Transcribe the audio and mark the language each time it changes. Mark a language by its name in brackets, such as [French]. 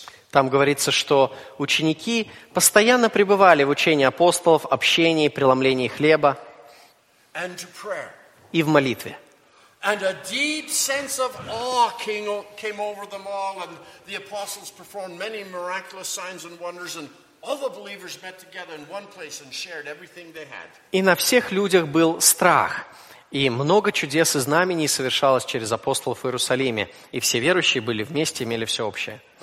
[Russian] Там говорится, что ученики постоянно пребывали в учении апостолов, общении, преломлении хлеба и в молитве. [English] And a deep sense of awe came over them all, and the apostles performed many miraculous signs and wonders, and all the believers met together in one place and shared everything they had. [Russian] И на всех людях был страх, И много чудес и знамений совершалось через апостолов в Иерусалиме, и все верующие были вместе, имели все общее.